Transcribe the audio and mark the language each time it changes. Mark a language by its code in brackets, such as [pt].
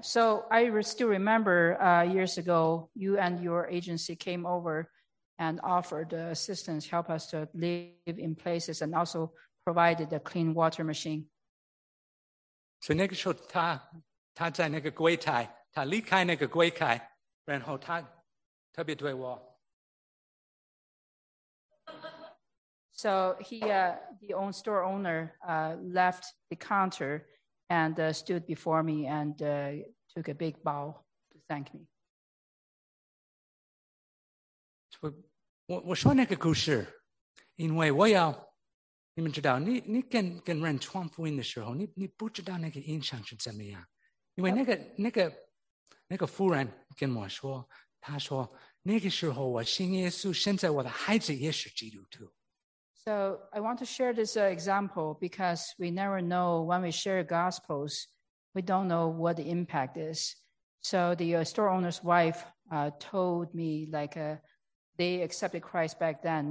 [en] So I still remember years ago, you and your agency came over and offered assistance, help us to live in places, and also provided a clean water machine. So [zh] 那个时候他在那个柜台，他离开那个柜台，然后他特别对我。 [en] So he, the own store owner, left the counter. And stood before me and took a big bow to thank me. [zh] 我说那个故事，因为我要你们知道，你跟人传福音的时候，你不知道那个印象是怎么样。因为那个妇人跟我说，她说那个时候我信耶稣，现在我的孩子也是基督徒。 [en] So I want to share this example because we never know when we share gospels, we don't know what the impact is. So the store owner's wife told me like they accepted Christ back then.